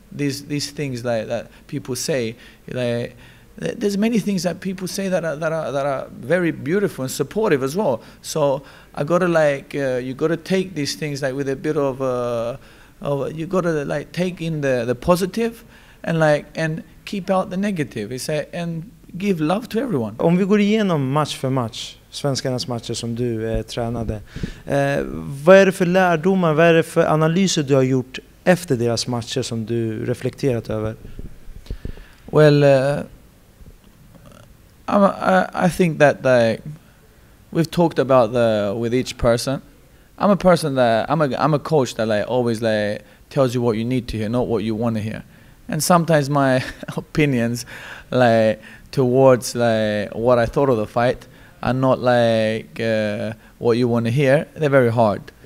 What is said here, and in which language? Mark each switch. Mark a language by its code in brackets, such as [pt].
[en] These things like that people say, like, there's many things that people say that are very beautiful and supportive as well. So I gotta like you gotta take these things like with a bit of you gotta like take in the positive, and like and keep out the negative. It's like, and give love to everyone. [sv] Om vi går igenom match för match, svenskarnas matcher som du tränade, vad är det för lärdomar, vad är det för analyser du har gjort efter deras matcher som du reflekterat över? [en] Well. I think that like we've talked about with each person. I'm a person that I'm a coach that like always like tells you what you need to hear, not what you want to hear. And sometimes my opinions like towards like what I thought of the fight are not like what you want to hear. They're very hard.